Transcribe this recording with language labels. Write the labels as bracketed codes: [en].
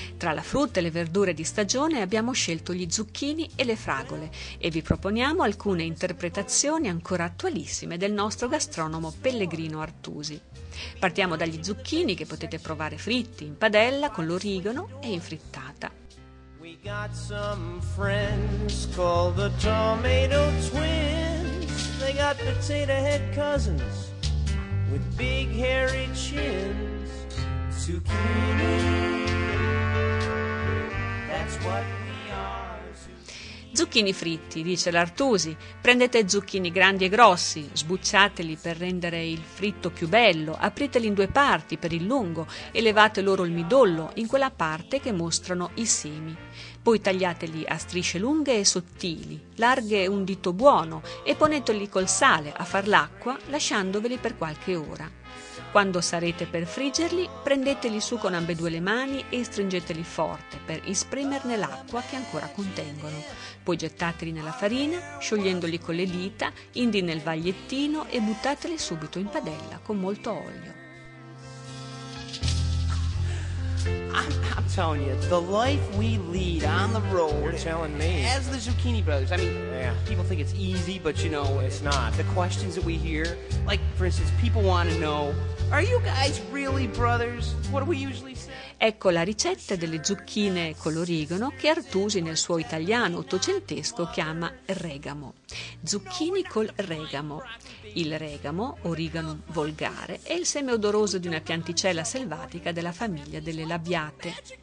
[it] Tra la frutta e le verdure di stagione abbiamo scelto gli zucchini e le fragole e vi proponiamo alcune interpretazioni ancora attualissime del nostro gastronomo Pellegrino Artusi. Partiamo dagli zucchini che potete provare fritti, in padella, con l'origano e in frittata. [en] We got some friends called the Tomato Twins. They got potato head cousins with big hairy chins. Zucchini, that's what we are. [it] Zucchini fritti, dice l'Artusi. Prendete zucchini grandi e grossi, sbucciateli per rendere il fritto più bello, apriteli in due parti per il lungo e levate loro il midollo in quella parte che mostrano i semi. Poi tagliateli a strisce lunghe e sottili, larghe un dito buono, e poneteli col sale a far l'acqua, lasciandoveli per qualche ora. Quando sarete per friggerli, prendeteli su con ambedue le mani e stringeteli forte per ispremerne l'acqua che ancora contengono. Poi gettateli nella farina, sciogliendoli con le dita, indi nel vagliettino e buttateli subito in padella con molto olio. [en] I'm telling you, the life we lead on the road. You're telling me. As the Zucchini Brothers, I mean, yeah. People think it's easy, but you know, it's not. The questions that we hear, like for instance, people want to know, are you guys really brothers? What do we usually say? [it] Ecco la ricetta delle zucchine con l'origano che Artusi nel suo italiano ottocentesco chiama regamo. Zucchini col regamo. Il regamo, origano volgare, è il seme odoroso di una pianticella selvatica della famiglia delle labiate.